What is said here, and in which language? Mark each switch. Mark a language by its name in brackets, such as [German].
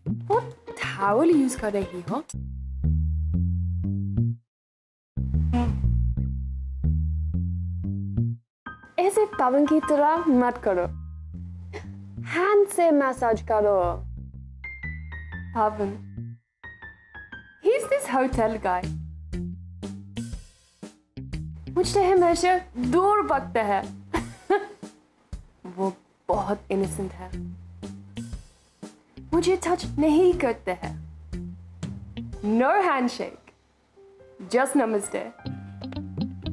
[Hindi] Towel use कर रही हो? ऐसे पवन की तरह मत करो, हैंड से मसाज करो। [English] Pavan, he's this hotel guy. [Hindi] मुझसे हमेशा दूर भागता है। वो बहुत इनोसेंट है, मुझे टच नहीं करते हैं। [English] No handshake, just namaste.